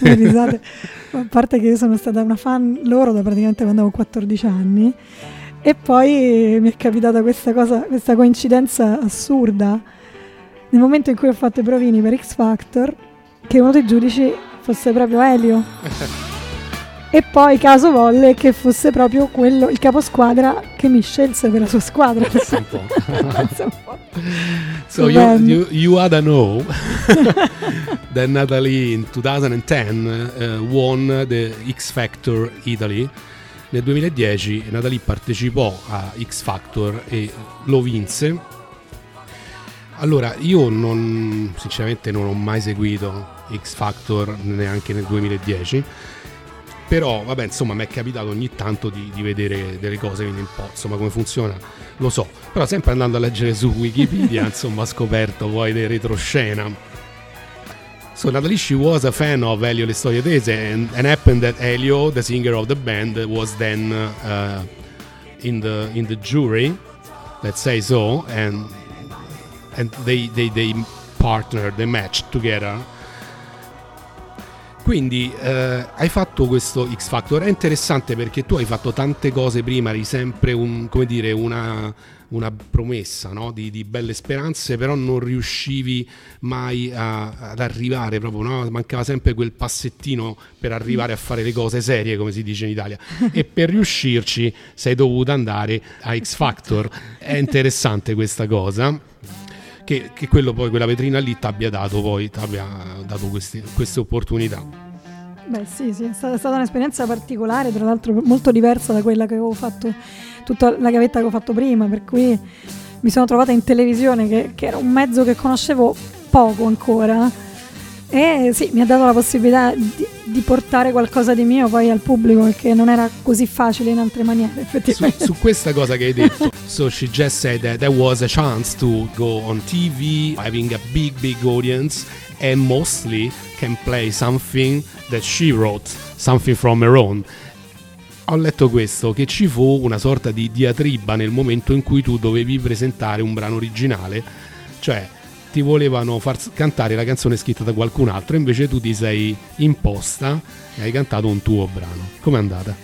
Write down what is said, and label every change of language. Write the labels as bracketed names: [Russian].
[Italian] Le risate, a parte che io sono stata una fan loro da praticamente quando avevo 14 anni, e poi mi è capitata questa cosa, questa coincidenza assurda. Nel momento in cui ho fatto i provini per X Factor, che uno dei giudici fosse proprio Elio. E poi caso volle che fosse proprio quello, il caposquadra che mi scelse per la sua squadra. Penso un po'. [English] So you had a know that Natalie in 2010 won the X Factor Italy. [Italian] Nel 2010 Natalie partecipò a X Factor e lo vinse. Allora, io non, sinceramente non ho mai seguito X Factor neanche nel 2010. Però, vabbè, insomma, mi è capitato ogni tanto di vedere delle cose, quindi un po', insomma, come funziona, lo so. Però sempre andando a leggere su Wikipedia, insomma, ho scoperto poi del retroscena. [English] So, Natalie, she was a fan of Elio Le Storie Tese, and happened that Elio, the singer of the band, was then in the jury, let's say so, and they partnered, they matched together. [Italian] Quindi hai fatto questo X Factor, è interessante perché tu hai fatto tante cose prima, eri sempre un, come dire, una promessa, no? di belle speranze, però non riuscivi mai ad arrivare proprio, no? Mancava sempre quel passettino per arrivare a fare le cose serie, come si dice in Italia, e per riuscirci sei dovuta andare a X Factor. È interessante questa cosa. Che quello poi, quella vetrina lì, ti abbia dato queste opportunità. Beh, sì, è stata un'esperienza particolare, tra l'altro molto diversa da quella che avevo fatto, tutta la gavetta che ho fatto prima, per cui mi sono trovata in televisione, che era un mezzo che conoscevo poco ancora, Sì, mi ha dato la possibilità di portare qualcosa di mio poi al pubblico, perché non era così facile in altre maniere, effettivamente. Su questa cosa che hai detto, [English] so she just said that there was a chance to go on TV, having a big, big audience, and mostly can play something that she wrote, something from her own. [Italian] Ho letto questo, che ci fu una sorta di diatriba nel momento in cui tu dovevi presentare un brano originale, cioè ti volevano far cantare la canzone scritta da qualcun altro, invece tu ti sei imposta e hai cantato un tuo brano. Com'è andata?